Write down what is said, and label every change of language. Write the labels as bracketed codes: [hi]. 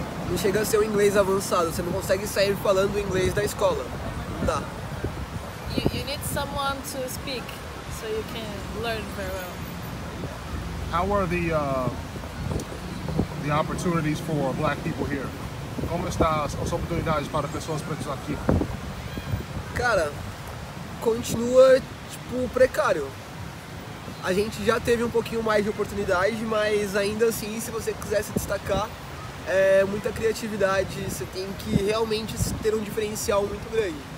[pt] Não chega a ser um inglês avançado, você não consegue sair falando o inglês da escola. Não dá. [en] You need someone to speak so you can learn very well. How are the opportunities for black people here? [pt] Como estão as oportunidades para pessoas pretas aqui? Cara, continua tipo precário. A gente já teve um pouquinho mais de oportunidade, mas ainda assim, se você quiser se destacar, é muita criatividade, você tem que realmente ter um diferencial muito grande.